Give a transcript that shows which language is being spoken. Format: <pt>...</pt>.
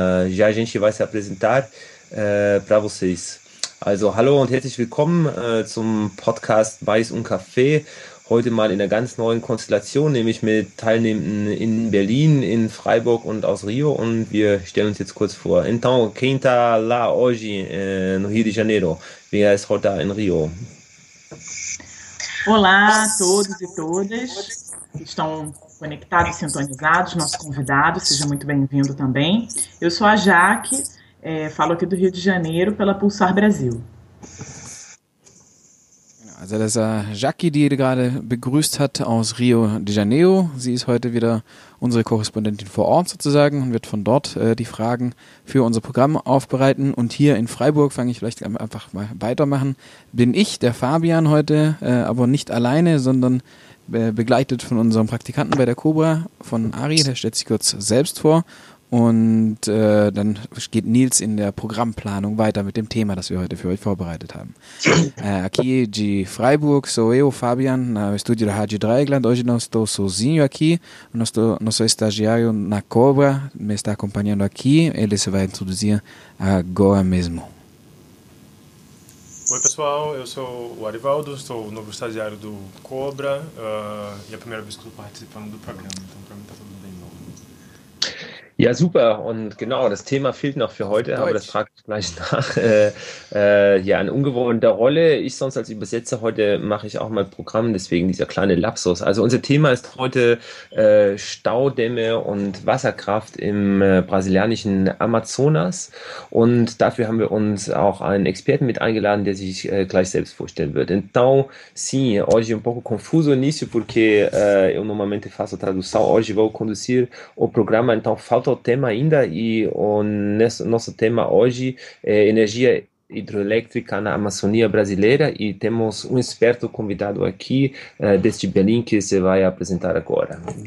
<pt>Já a gente vai se apresentar para vocês.</pt> <de>Also, hallo und herzlich willkommen zum Podcast Mais um Café. Heute mal in einer ganz neuen Konstellation, nämlich mit Teilnehmenden in Berlin, in Freiburg und aus Rio. Und wir stellen uns jetzt kurz vor.</de> <pt>Então, quem tá lá hoje no Rio de Janeiro?</pt> <de>Wer ist heute in Rio?</de> <pt>Olá a todos e todas que estão conectados, sintonizados, nosso convidado, seja muito bem-vindo também. Eu sou a Jaque, falo aqui do Rio de Janeiro pela Pulsar Brasil.</pt> <de>Also das ist Jackie, die gerade begrüßt hat aus Rio de Janeiro. Sie ist heute wieder unsere Korrespondentin vor Ort sozusagen und wird von dort die Fragen für unser Programm aufbereiten. Und hier in Freiburg, fange ich vielleicht einfach mal weitermachen, bin ich, der Fabian, heute, aber nicht alleine, sondern begleitet von unserem Praktikanten bei der Cobra, von Ari, der stellt sich kurz selbst vor. Und dann geht Nils in der Programmplanung weiter mit dem Thema, das wir heute für euch vorbereitet haben.</de> <pt>Aqui de Freiburg sou eu, Fabian, na estúdio da Rádio Dreieckland. Hoje não estou sozinho aqui, nosso estagiário na Cobra me está acompanhando aqui. Ele se vai introduzir agora mesmo. Oi pessoal, eu sou o Arivaldo, sou o novo estagiário do Cobra e é a primeira vez que estou participando do programa, então para mim está tudo bem novo.</pt> <de>Ja, super. Und genau, das Thema fehlt noch für heute, Deutsch. Aber das frage ich gleich nach. Eine ungewohnte Rolle. Ich sonst als Übersetzer heute mache ich auch mal Programm, deswegen dieser kleine Lapsus. Also unser Thema ist heute Staudämme und Wasserkraft im brasilianischen Amazonas. Und dafür haben wir uns auch einen Experten mit eingeladen, der sich gleich selbst vorstellen wird.</de> <pt>Então, sim, hoje um pouco confuso nisso, porque eu normalmente faço tradução. Hoje vou conduzir o programa, então falta o tema ainda e o nosso tema hoje é energia hidrelétrica na Amazônia brasileira e temos um esperto convidado aqui deste Berlim que você vai apresentar agora.</pt>